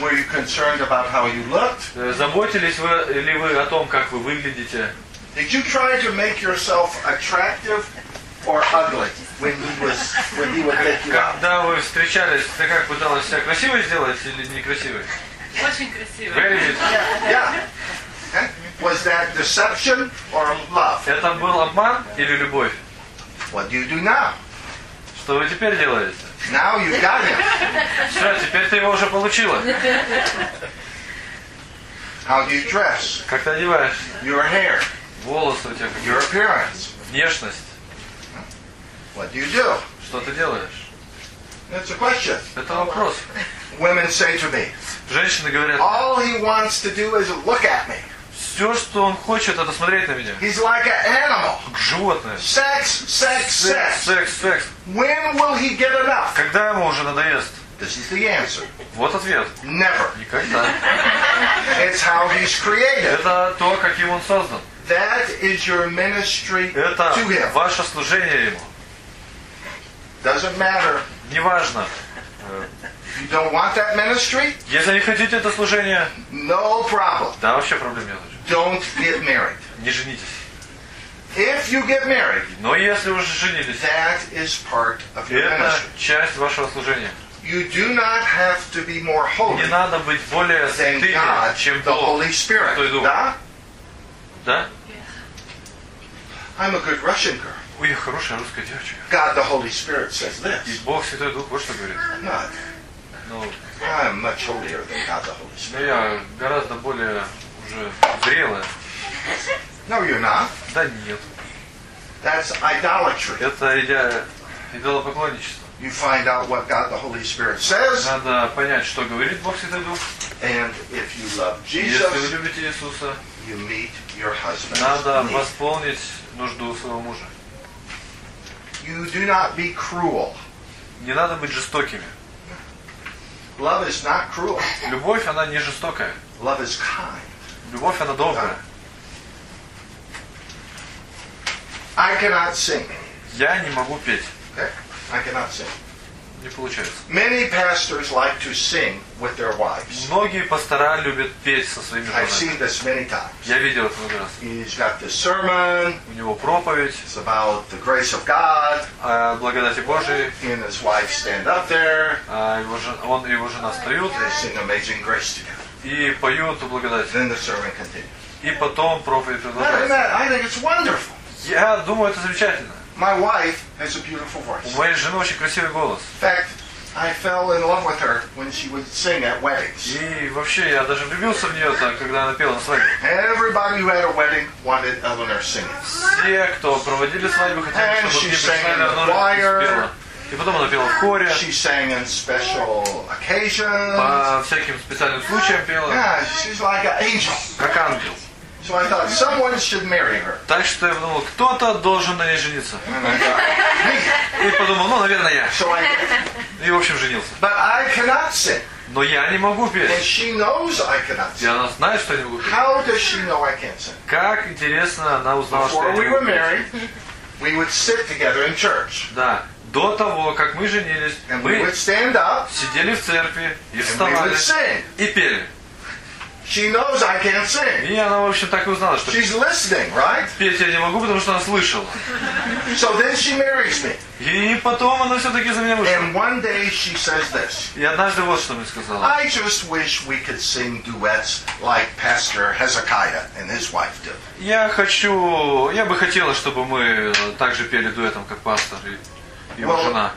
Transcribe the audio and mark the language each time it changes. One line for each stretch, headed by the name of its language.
English: Were you concerned about how you looked?
Russian: Заботились вы ли вы о том, как вы выглядите?
English: Did you try to make yourself attractive or ugly when he was when he would pick you up?
Russian: Когда вы встречались, ты как пыталась себя красивой сделать или некрасивой? Очень красивой.
English: Very good. Yeah. Was that deception or love?
Russian: Это был обман или любовь?
English: What do you do now?
Russian: Что вы теперь делаете?
English: Now you got him.
Russian: Все, теперь ты его уже получила.
English: How do you dress?
Russian: Как ты одеваешься?
English: Your hair.
Russian: Волосы у тебя.
English: Your appearance.
Russian: Внешность.
English: What do you do?
Russian: Что ты делаешь?
English: That's a question.
Russian: Это вопрос.
English: Women say to me.
Russian: Женщины говорят.
English: All he wants to do is look at me.
Russian: Все, что он хочет, это смотреть на меня.
English: He's like an animal.
Russian: Животное.
English: Sex, sex, sex. Sex, sex. When will he get enough?
Russian: Когда ему уже надоест?
English: This is the answer.
Russian: Вот ответ.
English: Never.
Russian: Никогда.
English: It's how he's created.
Russian: Это то, каким он создан.
English: That is your ministry
Russian: это
English: to him.
Russian: Это ваше служение ему.
English: Doesn't matter.
Russian: Неважно.
English: You don't want that ministry?
Russian: Если не хотите это служение,
English: no problem.
Russian: Да, вообще проблем нет.
English: Don't get married.
Russian: Не женитесь.
English: If you get married,
Russian: но если уже женились,
English: that is part of your
Russian: это
English: ministry.
Russian: Часть вашего служения.
English: You do not have to be more holy.
Russian: Не надо быть более святым, чем
English: the Holy Spirit.
Russian: Да? Да?
English: Yeah. I'm a good Russian girl.
Russian: Ой, хорошая русская девочка.
English: God, the Holy Spirit says this.
Russian: И Бог Святой Дух вот что говорит.
English: I'm much holier than God the Holy Spirit.
Russian: Я гораздо более уже зрелая.
English: No, you're not.
Russian: Да нет.
English: That's idolatry.
Russian: Это идолопоклонничество.
English: You find out what God the Holy Spirit says.
Russian: Надо понять, что говорит Бог Святой Дух.
English: And if you love Jesus,
Russian: если вы любите Иисуса,
English: you meet your husband.
Russian: Надо восполнить нужду своего мужа.
English: You do not be cruel.
Russian: Не надо быть жестокими.
English: Love is not cruel.
Russian: Любовь она не жестокая.
English: Love is kind.
Russian: Любовь она добрая.
English: I cannot sing.
Russian: Я не могу петь.
English: Okay? I cannot sing.
Russian: Не получается.
English: Many pastors like to sing with their wives.
Russian: Многие пастора любят петь со своими женами.
English: I've seen this many times.
Russian: Я видел это много раз.
English: He's got this sermon.
Russian: У него проповедь.
English: It's about the grace of God.
Russian: О благодати Божией.
English: And his wife stand up there.
Russian: Он и его жена встают.
English: They sing Amazing Grace together.
Russian: и пою эту благодать.
English: Then the sermon continues.
Russian: И потом проповедь продолжается.
English: I think it's wonderful.
Russian: Я думаю, это замечательно.
English: My wife has a beautiful voice.
Russian: У моей жены очень красивый голос.
English: In fact, I fell in love with her when she would sing at weddings.
Russian: И вообще, я даже влюбился в нее, так, когда она пела на свадьбе.
English: Everybody who had a wedding wanted Eleanor singing.
Russian: Все, кто проводили свадьбу, хотели,
English: and
Russian: чтобы
English: she
Russian: ей прислали Eleanor. И потом она пела в хоре.
English: She sang in special occasions.
Russian: По всяким специальным случаям пела.
English: Yeah, she's like an angel.
Russian: Как ангел.
English: So I thought someone should marry her.
Russian: Так что я подумал, кто-то должен на ней жениться.
English: Thought,
Russian: и подумал, ну, наверное, я.
English: So I
Russian: и, в общем, женился.
English: But I cannot sing.
Russian: Но я не могу петь.
English: And she knows I cannot sing.
Russian: И она знает, что я не могу петь.
English: How does she know I can't sing?
Russian: Как, интересно, она узнала,
English: before
Russian: что я не могу петь.
English: We were married, we would sit together in church.
Russian: Да. До того, как мы женились,
English: and
Russian: мы
English: would stand up,
Russian: сидели в церкви и вставали и пели.
English: She knows I can't sing.
Russian: И она, в общем, так и узнала, что
English: she's listening, right?
Russian: Петь я не могу, потому что она слышала.
English: So then she marries me.
Russian: И потом она все-таки за меня вышла.
English: And one day she says this.
Russian: И однажды вот что мне сказала.
English: I just wish we could sing duets like Pastor Hezekiah and his wife do.
Russian: Я хочу, я бы хотела, чтобы мы также пели дуэтом, как пастор и его жена.